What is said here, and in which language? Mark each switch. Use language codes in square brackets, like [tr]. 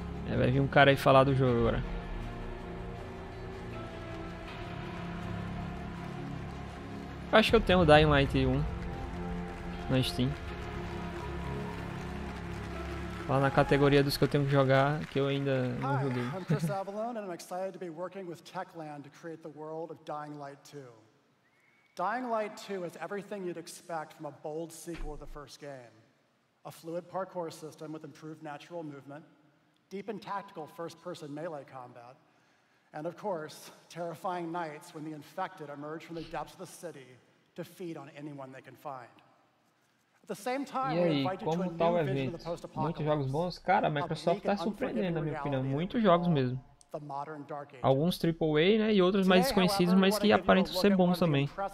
[pt] É, vai vir um cara aí falar do jogo agora. Eu acho que eu tenho o Dying Light 1 na Steam. Lá na categoria dos que eu tenho que jogar, que eu ainda não joguei. [en] Hi, I'm Chris Avalon, and I'm excited to be working with Techland to create the world of Dying Light 2. Dying Light 2 is everything you'd expect from a bold sequel of the first game. A fluid parkour system with improved natural movement, deep and tactical first-person melee combat, and of course, terrifying nights when the infected emerge from the depths of the city to feed on anyone they can find. At the same time, [pt] e aí, como tá o evento? Muitos jogos bons? Cara, a Microsoft tá surpreendendo, na minha opinião. Muitos jogos mesmo. Alguns AAA, né, e outros mais desconhecidos, mas que aparentam ser bons também.